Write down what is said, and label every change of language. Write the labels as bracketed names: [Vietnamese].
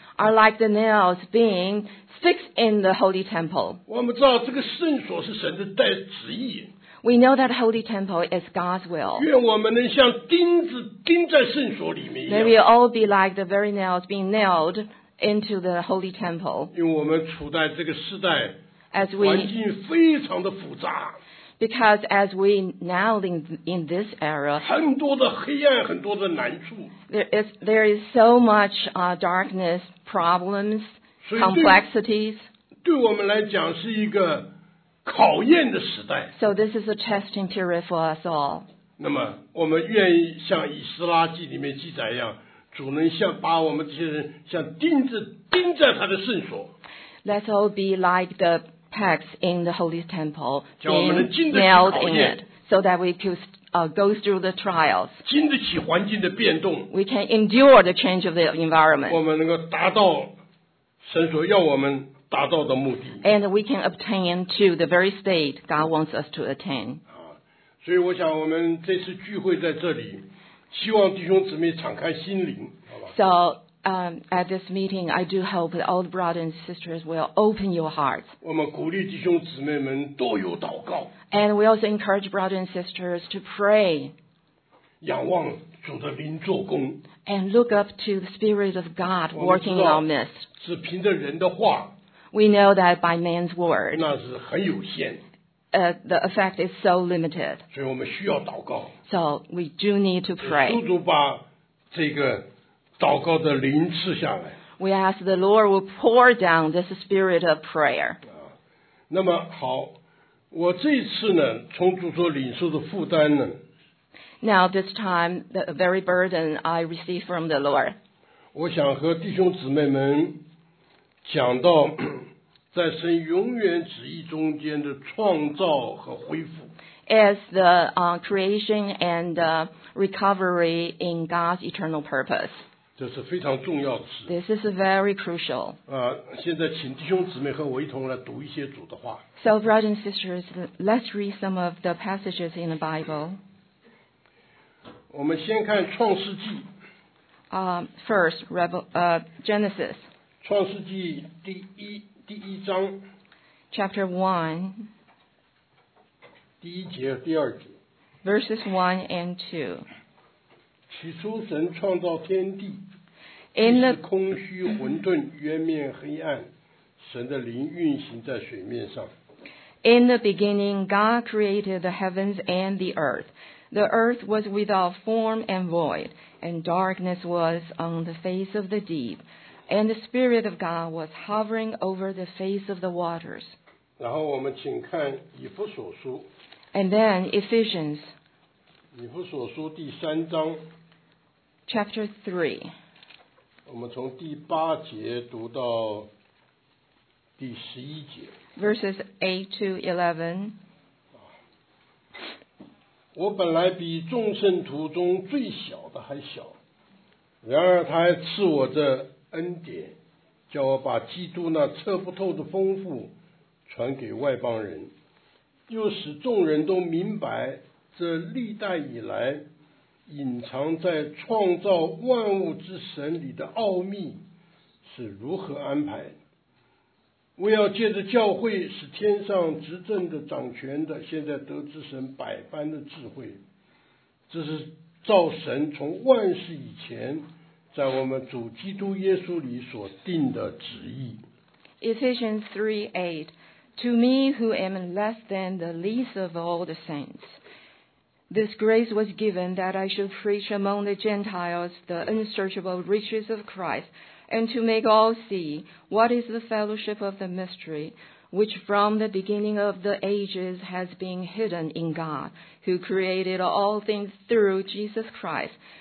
[English] are like the nails being fixed in the holy temple. [Chinese] 我们知道这个圣所是神的代旨意。 [English] We know that holy temple is God's will. [Chinese] 愿我们能像钉子钉在圣所里面一样。 [English] May we all be like the very nails being nailed into the holy temple. [Chinese] 因为我们处在这个时代。 [English] As we, [Chinese] 环境非常的复杂， [English] because as we now in this era, [Chinese] 很多的黑暗，很多的难处， [English] there is so much darkness, problems, complexities. [Chinese] 对我们来讲是一个考验的时代。 [English] So this is a testing period for us all. [Chinese] 那么我们愿意像以斯拉记里面记载一样，主能像把我们这些人像钉子钉在他的圣所。 [English] Let's all be like the pegs in the holy temple, being nailed in it, so that we could go through the trials. [Chinese] 经得起环境的变动。 [English] We can endure the change of the environment. [Chinese] 我们能够达到神所要我们达到的目的。 [English] And we can obtain to the very state God wants us to attain. [Chinese] 所以我想我们这次聚会在这里，希望弟兄姊妹敞开心灵，好吧。 [English] So,at this meeting, I do hope that all the brothers and sisters will open your hearts. [Chinese] 我们鼓励弟兄姊妹们多有祷告。 [English] And we also encourage brothers and sisters to pray. [Chinese] 仰望主的灵做工。 [English] And look up to the Spirit of God working in our midst. [Chinese] 只凭着人的话。 [English] We know that by man's word. [Chinese] 那是很有限。 [English] The effect is so limited. [Chinese] 所以我们需要祷告。 [English] So we do need to pray. [Chinese] 主主把这个祷告的灵赐下来。 [English] We ask the Lord will pour down this spirit of prayer. [Chinese] 那么好，我这次呢，从主所领受的负担呢。 [English] Now this time, the very burden I receive from the Lord. [Chinese] 我想和弟兄姊妹们讲到，在神永远旨意中间的创造和恢复。 [English] Is the creation and recovery in God's eternal purpose. [Chinese] 这是非常重要的。 [English] This is very crucial. [Chinese] 现在请弟兄姊妹和我一同来读一些主的话。 [English] So, brothers and sisters, let's read some of the passages in the Bible. [Chinese] 我们先看创世纪。 [English] First, Genesis. [Chinese] 创世纪第一章。 [English] Chapter 1. [Chinese] 第一节第二节。 [English] Verses 1 and 2. [Chinese] 起初神创造天地。空虚混沌，渊面黑暗，神的灵运行在水面上。 [English] In the beginning, God created the heavens and the earth. The earth was without form and void, and darkness was on the face of the deep. And the Spirit of God was hovering over the face of the waters. [Chinese] 然后我们请看以弗所书。 [English] And then Ephesians. [Chinese] 以弗所书第三章。 [English] Chapter 3. [Chinese] 我们从第八节读到第十一节。 [English] Verses 8-11. [Chinese] 我本来比众圣徒中最小的还小，然而他还赐我这恩典，叫我把基督那测不透的丰富传给外邦人，又使众人都明白这历代以来隐藏在创造万物之神里的奥秘是如何安排，我要借着教会使天上执政的掌权的现在得知神百般的智慧，这是造神从万事以前在我们主基督耶稣里所定的旨意。 [English] Ephesians 3:8 To me who am less than the least of all the saintsThis grace was given that I should preach among the Gentiles the unsearchable riches of Christ, and to make all see what is the fellowship of the mystery, which from the beginning of the ages has been hidden in God, who created all things through Jesus Christ,